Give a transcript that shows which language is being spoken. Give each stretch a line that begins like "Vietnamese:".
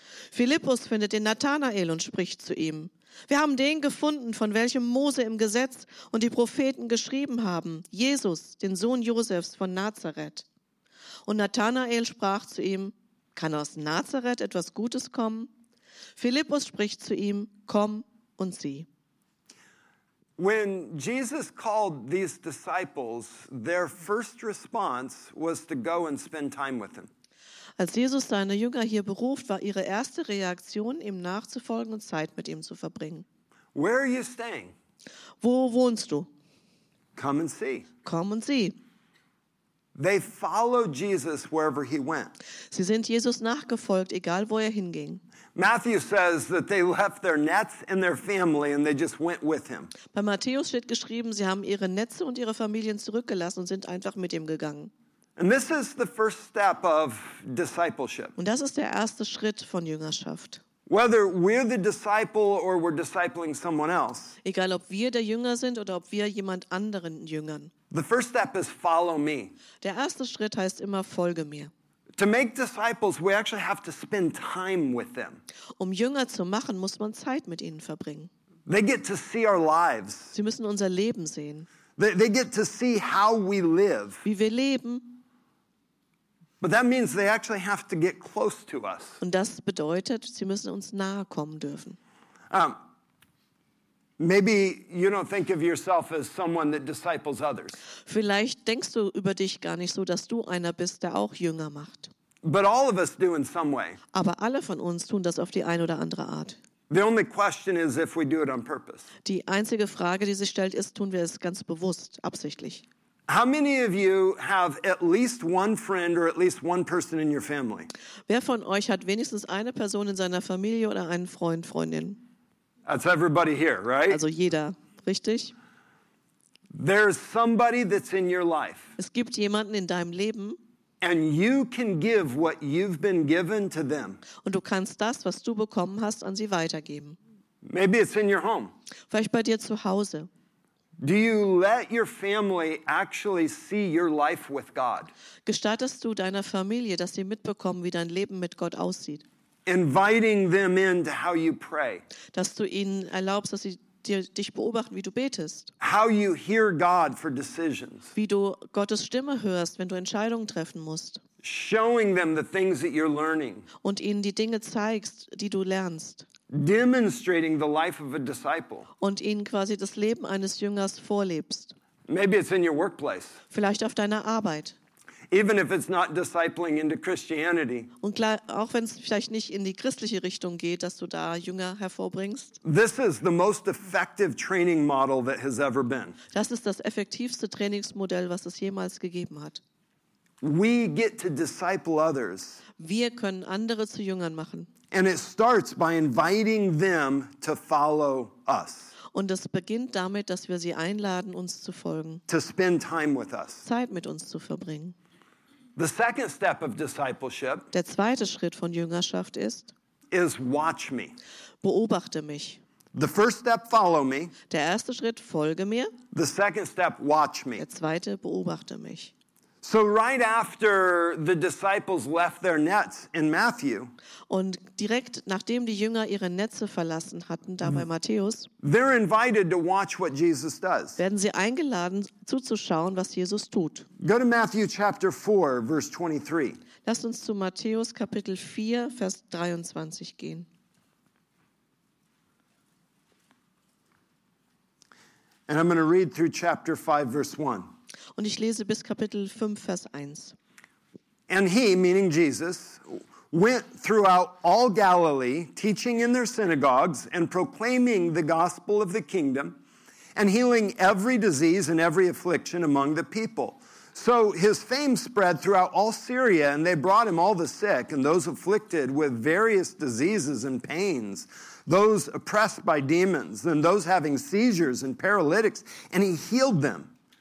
German: Philippus findet den Nathanael und spricht zu ihm, wir haben den gefunden, von welchem Mose im Gesetz und die Propheten geschrieben haben, Jesus, den Sohn Josefs von Nazareth. Und Nathanael sprach zu ihm, kann aus Nazareth etwas Gutes kommen? Philippus spricht zu ihm, komm und sieh.
English: When Jesus called these disciples, their first response was to go and spend time with him.
German: Als Jesus seine Jünger hier beruft, war ihre erste Reaktion, ihm nachzufolgen und Zeit mit ihm zu verbringen.
English: Where are you staying?
German: Wo wohnst du?
English: Come and see.
German: Komm und sieh.
English: They followed Jesus wherever he went.
German: Sie sind Jesus nachgefolgt, egal wo er hinging.
English: Matthew says that they left their nets and their family and they just went with him.
German: Bei Matthäus steht geschrieben, sie haben ihre Netze und ihre Familien zurückgelassen und sind einfach mit ihm gegangen.
English: And this is the first step of discipleship.
German: Und das ist der erste Schritt von Jüngerschaft.
English: Whether we're the disciple or we're discipling someone else.
German: Egal ob wir der Jünger sind oder ob wir jemand anderen jüngern.
English: The first step is follow me.
German: Der erste Schritt heißt immer folge mir.
English: To make disciples, we actually have to spend time with them.
German: Um Jünger zu machen, muss man Zeit mit ihnen verbringen.
English: They get to see our lives.
German: Sie müssen unser Leben sehen.
English: They get to see how we live.
German: Wie wir leben.
English: But that means they actually have to get close to us.
German: Und das bedeutet, sie müssen uns nahe kommen dürfen.
English: Maybe you don't think of yourself as someone that disciples others.
German: Vielleicht denkst du über dich gar nicht so, dass du einer bist, der auch Jünger macht.
English: But all of us do in some way.
German: Aber alle von uns tun das auf die eine oder andere Art.
English: The only question is if we do it on purpose.
German: Die einzige Frage, die sich stellt, ist, tun wir es ganz bewusst, absichtlich.
English: How many of you have at least one friend or at least one person in your family?
German: Wer von euch hat wenigstens eine Person in seiner Familie oder einen Freund, Freundin?
English: That's everybody here, right?
German: Also jeder, richtig?
English: There's somebody that's in your life.
German: Es gibt jemanden in deinem Leben.
English: And you can give what you've been given to them.
German: Und du kannst das, was du bekommen hast, an sie weitergeben.
English: Maybe it's in your home.
German: Vielleicht bei dir zu Hause.
English: Do you let your family actually see your life with God?
German: Gestattest du deiner Familie, dass sie mitbekommen, wie dein Leben mit Gott aussieht?
English: Inviting them into how you pray.
German: Dass du ihnen erlaubst, dass sie dich beobachten, wie du betest.
English: How you hear God for decisions.
German: Wie du Gottes Stimme hörst, wenn du Entscheidungen treffen musst.
English: Showing them the things that you're learning.
German: Und ihnen die Dinge zeigst, die du lernst.
English: Demonstrating the life of a disciple.
German: Und ihnen quasi das Leben eines Jüngers vorlebst.
English: Maybe it's in your workplace.
German: Vielleicht auf deiner Arbeit.
English: Even if it's not discipling into Christianity.
German: Und klar, auch wenn es vielleicht nicht in die christliche Richtung geht, dass du da Jünger hervorbringst.
English: This is the most effective training model that has ever been.
German: Das ist das effektivste Trainingsmodell, was es jemals gegeben hat.
English: We get to disciple others.
German: Wir können andere zu Jüngern machen.
English: And it starts by inviting them to follow us.
German: Und es beginnt damit, dass wir sie einladen, uns zu folgen.
English: To spend time with us.
German: Zeit mit uns zu verbringen.
English: The second step of discipleship.
German: Der zweite Schritt von Jüngerschaft ist.
English: Is watch me.
German: Beobachte mich.
English: The first step, follow me.
German: Der erste Schritt, folge mir.
English: The second step, watch me.
German: Der zweite, beobachte mich.
English: So right after the disciples left their nets in Matthew.
German: Und direkt nachdem die Jünger ihre Netze verlassen hatten, da bei Matthäus.
English: They're invited to watch what Jesus does.
German: Werden sie eingeladen zuzuschauen, was Jesus tut.
English: Go to Matthew chapter 4, verse 23.
German: Lasst uns zu Matthäus Kapitel 4, Vers 23 gehen.
English: And I'm going to read through chapter 5, verse 1.
German: Und ich lese bis Kapitel 5, Vers 1.
English: And he, meaning Jesus, went throughout all Galilee, teaching in their synagogues and proclaiming the gospel of the kingdom and healing every disease and every affliction among the people. So his fame spread throughout all Syria, and they brought him all the sick and those afflicted with various diseases and pains, those oppressed by demons, and those having seizures and paralytics, and he healed them.